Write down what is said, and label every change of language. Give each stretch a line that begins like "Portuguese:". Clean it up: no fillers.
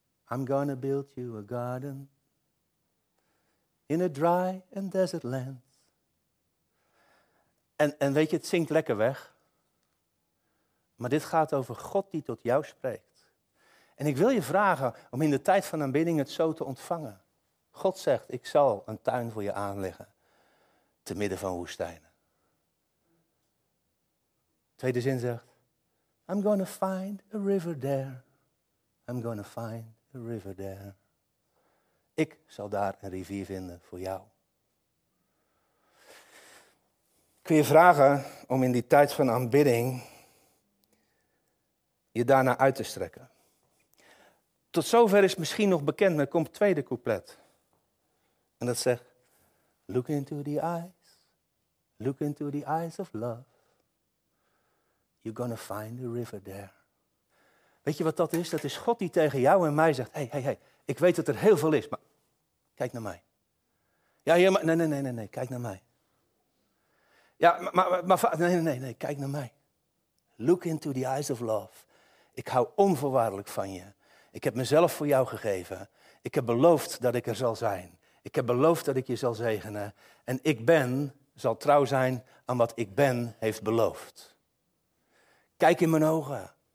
English: I'm gonna build you a garden in a dry and desert land.
Dutch: En weet je, het zingt lekker weg. Maar dit gaat over God die tot jou spreekt. En ik wil je vragen om in de tijd van aanbidding het zo te ontvangen. God zegt, ik zal een tuin voor je aanleggen. Te midden van woestijnen. Tweede zin zegt.
English: I'm gonna find a river there. I'm gonna find a river there.
Dutch: Ik zal daar een rivier vinden voor jou. Ik wil je vragen om in die tijd van aanbidding je daarna uit te strekken. Tot zover is misschien nog bekend, maar er komt het tweede couplet. En dat zegt,
English: look into the eyes, look into the eyes of love. You're gonna find the river there.
Dutch: Weet je wat dat is? Dat is God die tegen jou en mij zegt, hey, ik weet dat er heel veel is, maar kijk naar mij. Ja, maar, nee, kijk naar mij. Ja, maar, kijk naar mij.
English: Look into the eyes of love.
Dutch: Ik hou onvoorwaardelijk van je. Ik heb mezelf voor jou gegeven. Ik heb beloofd dat ik er zal zijn. Ik heb beloofd dat ik je zal zegenen. En ik ben, zal trouw zijn aan wat ik ben, heeft beloofd. Kijk in mijn ogen.